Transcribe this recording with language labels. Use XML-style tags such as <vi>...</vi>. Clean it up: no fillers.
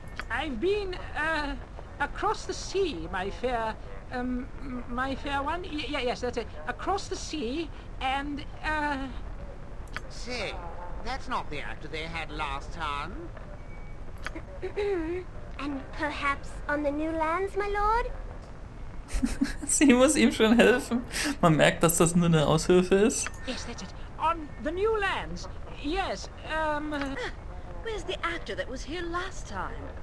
<en>I've been, across the sea, my fair one. Yes, that's it. Across the sea, and, Say, that's not the actor they had last time. And perhaps on the new lands, my lord?</en> <de>Sie muss ihm schon helfen. Man merkt, dass das nur eine Aushilfe ist.</de> <en>Yes, that's it. On the new lands. Yes, Where's the actor that was here last time?</en>